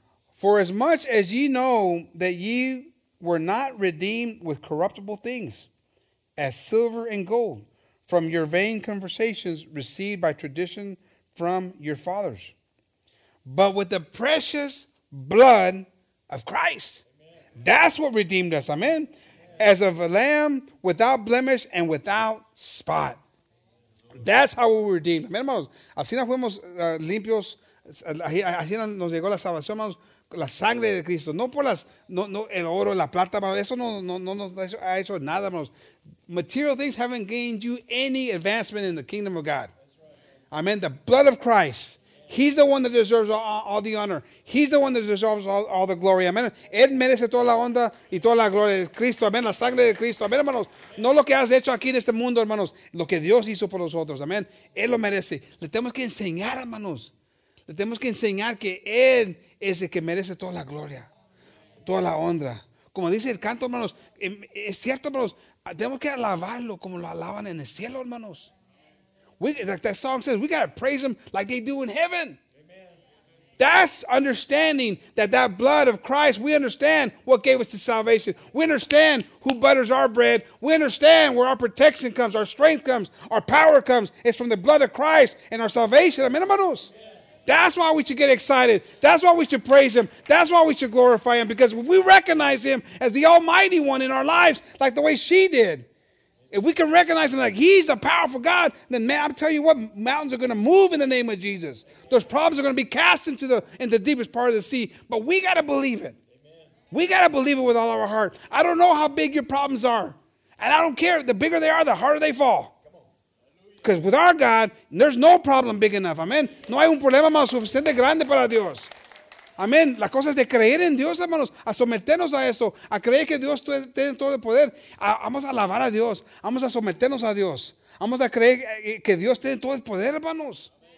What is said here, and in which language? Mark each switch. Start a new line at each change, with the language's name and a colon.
English: For as much as ye know that ye were not redeemed with corruptible things, as silver and gold, from your vain conversations received by tradition from your fathers, but with the precious blood of Christ. Amen. That's what redeemed us. Amen. Amen. As of a lamb without blemish and without spot. That's how we were redeemed. Amen, hermanos.
Spanish: Así nos fuimos limpios. Así nos llegó la salvación, hermanos, la sangre de Cristo, no por las, no el oro, la plata, hermanos, eso no nos ha hecho nada, hermanos.
English: Material things haven't gained you any advancement in the kingdom of God. Amen. The blood of Christ, He's the one that deserves all the honor. He's the one that deserves all the glory. Amen.
Spanish: Él merece toda la honra y toda la gloria. Cristo, amen. La sangre de Cristo. Amen, hermanos. No lo que has hecho aquí en este mundo, hermanos. Lo que Dios hizo por nosotros. Amen. Él lo merece. Le tenemos que enseñar, hermanos. Le tenemos que enseñar que Él es el que merece toda la gloria. Toda la honra. Como dice el canto, hermanos. Es cierto, hermanos. Tenemos que alabarlo como lo alaban en el cielo, hermanos.
English: That song says we got to praise Him like they do in heaven. Amen. That's understanding that blood of Christ, we understand what gave us the salvation. We understand who butters our bread. We understand where our protection comes, our strength comes, our power comes. It's from the blood of Christ and our salvation. Amen, hermanos. That's why we should get excited. That's why we should praise Him. That's why we should glorify Him. Because if we recognize Him as the Almighty One in our lives, like the way she did, if we can recognize Him like He's a powerful God, then man, I'm telling you what, mountains are going to move in the name of Jesus. Those problems are going to be cast into the deepest part of the sea. But we got to believe it. Amen. We got to believe it with all our heart. I don't know how big your problems are. And I don't care. The bigger they are, the harder they fall. Because with our God, there's no problem big enough. Amen.
Spanish: No hay un problema más suficiente grande para Dios. Amén. La cosa es de creer en Dios, hermanos. A someternos a eso. A creer que Dios tiene todo el poder. Vamos a alabar a Dios. Vamos a someternos a Dios. Vamos a creer que Dios tiene todo el poder, hermanos.